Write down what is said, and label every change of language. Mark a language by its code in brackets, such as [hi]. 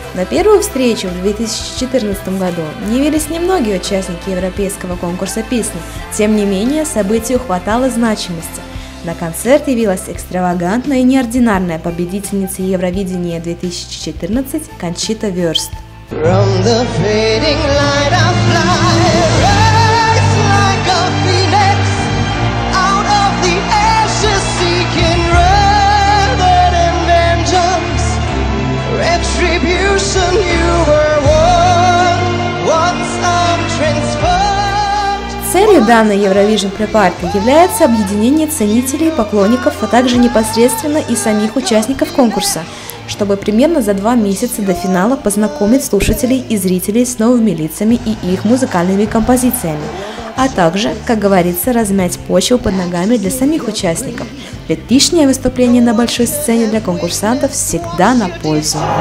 [ru] На первую встречу в 2014 году не явились немногие участники европейского конкурса песни, тем не менее событию хватало значимости. На концерт явилась экстравагантная и неординарная победительница Евровидения 2014 Кончита Вёрст. [en] From the fading light of life, rise like a phoenix out of the ashes, seeking rather than vengeance, retribution. You were won once I'm transformed. [ru] Целью данной Eurovision Pre-Party является объединение ценителей и поклонников, а также непосредственно и самих участников конкурса, чтобы примерно за два месяца до финала познакомить слушателей и зрителей с новыми лицами и их музыкальными композициями, а также, как говорится, размять почву под ногами для самих участников, ведь лишнее выступление на большой сцене для конкурсантов всегда на пользу.